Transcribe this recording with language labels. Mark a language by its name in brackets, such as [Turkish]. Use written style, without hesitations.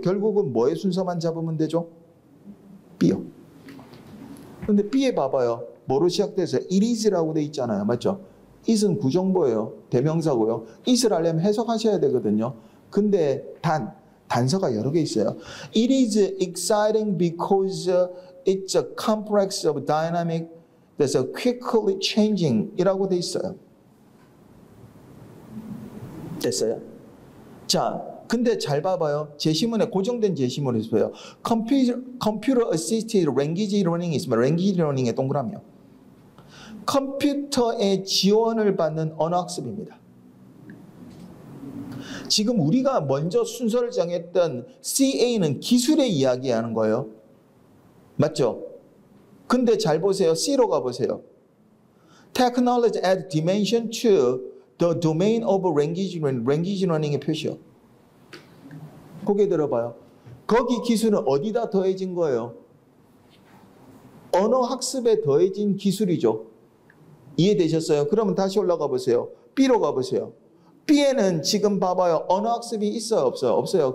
[Korean] 결국은 뭐의 순서만 잡으면 되죠? B요. 근데 B에 봐봐요. 뭐로 시작돼서 [English] It is [Korean] 라고 돼 있잖아요. 맞죠? It은 구정보예요. 대명사고요. It을 하려면 해석하셔야 되거든요. 근데 단서가 여러 개 있어요. [English] It is exciting because it's a complex of dynamic that's quickly changing [Korean] 이라고 돼 있어요. 됐어요? 자, 근데 잘 봐봐요. 제시문에 고정된 제시문에서 봐요. [English] Computer assisted language learning is language learning의 [Korean] 동그라미요. 컴퓨터의 지원을 받는 언어학습입니다. 지금 우리가 먼저 순서를 정했던 CA는 기술의 이야기하는 거예요. 맞죠? 근데 잘 보세요. C로 가보세요. [English] Technology add dimension to the domain of language learning. Language learning [Korean] 의 표시요. 고개 들어봐요. 거기 기술은 어디다 더해진 거예요? 언어학습에 더해진 기술이죠. 이해되셨어요? 그러면 다시 올라가 보세요. B로 가보세요. B에는 지금 봐봐요. 언어학습이 있어요? 없어요? 없어요.